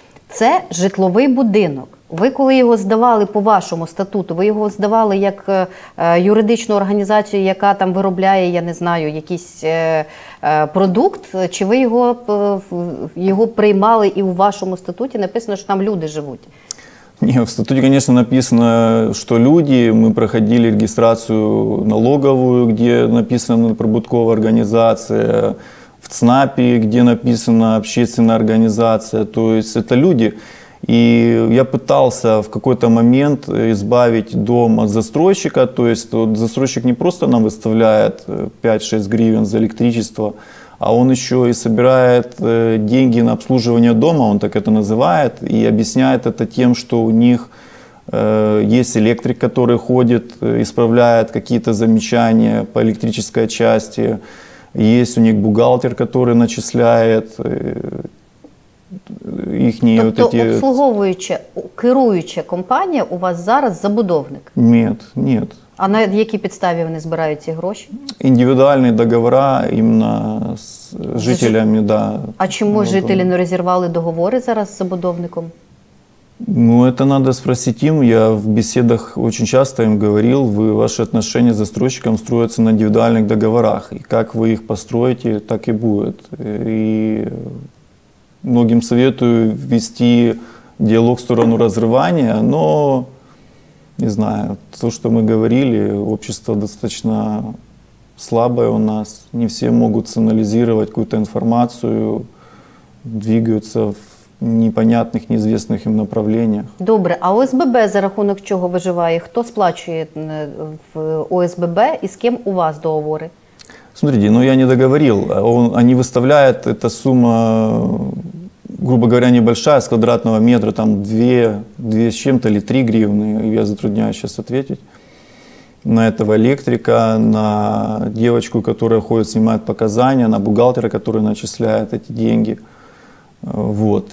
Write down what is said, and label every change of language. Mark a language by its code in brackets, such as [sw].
[uk] Це житловий будинок. Ви, коли його здавали по вашому статуту, ви його здавали як юридичну організацію, яка там виробляє, я не знаю, якийсь продукт, чи ви його приймали і у вашому статуті написано, що там люди живуть? Ні, в статуті, звісно, написано, що люди. Ми проходили реєстрацію налогову, де написано прибуткова організація, в ЦНАПі, де написано общественна організація. Тобто це люди. [ru] И я пытался в какой-то момент избавить дом от застройщика, то есть вот застройщик не просто нам выставляет 5-6 гривен за электричество, а он еще и собирает деньги на обслуживание дома, он так это называет, и объясняет это тем, что у них есть электрик, который ходит, исправляет какие-то замечания по электрической части, есть у них бухгалтер, который начисляет їхні [uk] тобто [ru] вот эти... [uk] обслуговуюча, керуюча компанія у вас зараз забудовник? Ні, ні. А на якій підставі вони збирають ці гроші? Індивідуальні договори іменно з жителями, да. А чому вот жителі не розірвали договори зараз з забудовником? [ru] Ну, это надо спросить им. Я в беседах очень часто им говорил, ваши отношения с застройщиком строятся на индивидуальных договорах. И как вы их построите, так и будет. И многим советую вести диалог в сторону разрывания, но, не знаю, то, что мы говорили, общество достаточно слабое у нас, не все могут анализировать какую-то информацию, двигаются в непонятных, неизвестных им направлениях. [uk] Добре, а ОСББ за рахунок чого виживає? Хто сплачує в ОСББ і з ким у вас договори? [ru] Смотрите, ну я не договорил. Они выставляют, эта сумма, грубо говоря, небольшая, с квадратного метра, там 2 с чем-то или 3 гривны, я затрудняюсь сейчас ответить. На этого электрика, на девочку, которая ходит, снимает показания, на бухгалтера, который начисляет эти деньги. Вот.